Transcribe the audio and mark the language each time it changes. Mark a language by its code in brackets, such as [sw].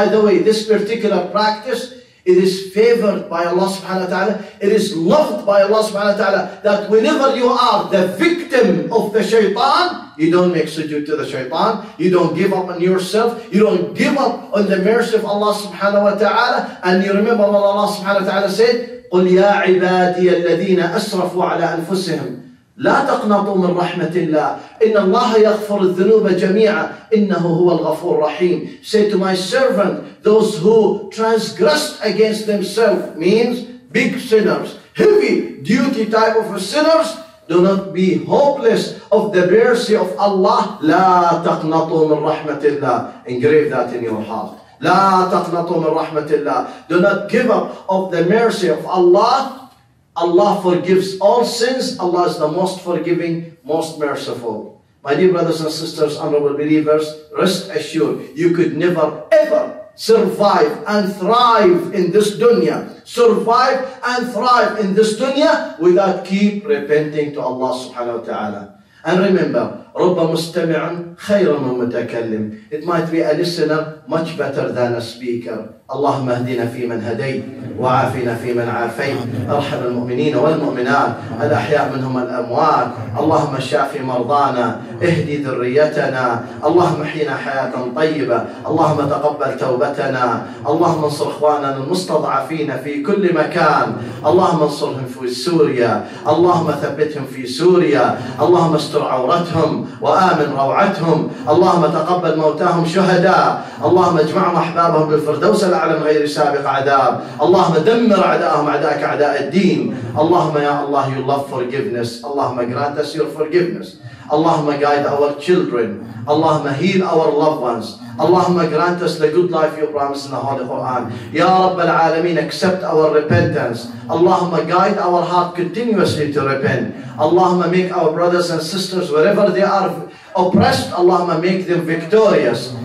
[en] By the way, this particular practice, it is favored by Allah subhanahu wa ta'ala. It is loved by Allah subhanahu wa ta'ala that whenever you are the victim of the shaitan, you don't make sujood to the shaitan. You don't give up on yourself. You don't give up on the mercy of Allah subhanahu wa ta'ala. And you remember what Allah subhanahu wa ta'ala said, [ar] قُلْ يَا عِبَادِيَ الَّذِينَ أَسْرَفُوا عَلَىٰ أَنفُسِهِمْ لا تقنطوا من رحمة الله إن الله يغفر الذنوب جميعا إنه هو الغفور الرحيم. [en] Say to my servant, those who transgressed against themselves, means big sinners, heavy duty type of sinners, do not be hopeless of the mercy of Allah. [ar] لا تقنطوا من رحمة الله. [en] Engrave that in your heart. [ar] لا تقنطوا من رحمة الله. [en] Do not give up of the mercy of Allah. Allah forgives all sins. Allah is the most forgiving, most merciful. My dear brothers and sisters, honorable believers, rest assured, you could never ever survive and thrive in this dunya. Survive and thrive in this dunya without keep repenting to Allah subhanahu wa ta'ala. [ar] And remember, رُبَّ مُسْتَمِعٌ خَيْرٌ مُتَكَلِّمٌ. [en] It might be a listener much better than a speaker. [ar] اللهم اهدنا في من هديت وعافنا في من عافيت ارحم المؤمنين والمؤمنات الأحياء منهم الأموات. اللهم شافي مرضانا اهدي ذريتنا. اللهم احينا حياة طيبة. اللهم تقبل توبتنا. اللهم انصر اخواننا المستضعفين في كل مكان. اللهم انصرهم في سوريا. اللهم ثبتهم في سوريا. اللهم استر عورتهم وآمن روعتهم. اللهم تقبل موتاهم شهداء. اللهم اجمعهم أحبابهم بالفردوس الأعلى من غير سابق عذاب. اللهم دمر أعداءهم أعداءك أعداء الدين. اللهم يا الله [en] you love forgiveness. اللهم grant us your forgiveness. اللهم guide our children. اللهم heal our loved ones. اللهم grant us the good life you promised in the Holy Quran. [ar] يا رب العالمين [en] accept our repentance. اللهم guide our heart continuously to repent. اللهم make our brothers and sisters wherever they are oppressed, اللهم make them victorious.